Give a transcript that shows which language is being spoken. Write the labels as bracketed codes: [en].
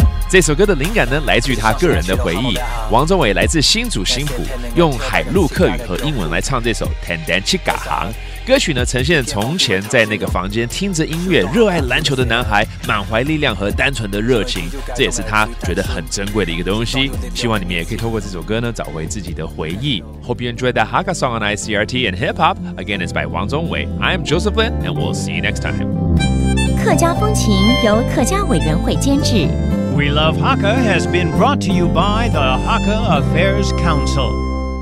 [zh] 这首歌的灵感呢，来自于他个人的回忆。王鍾惟来自新竹新埔，用海陆客语和英文来唱这首《Tenden Chikahang》。歌曲呢，呈现从前在那个房间听着音乐、热爱篮球的男孩，满怀力量和单纯的热情，这也是他觉得很珍贵的一个东西。希望你们也可以透过这首歌呢，找回自己的回忆。 [en] Hope you enjoyed that Hakka song on ICRT and Hip Hop. Again, it's by 王鍾惟. I'm Joseph Lin, and we'll see you next time. [zh] 客家风情由客家委员会监制。 [en] We Love Hakka has been brought to you by the Hakka Affairs Council.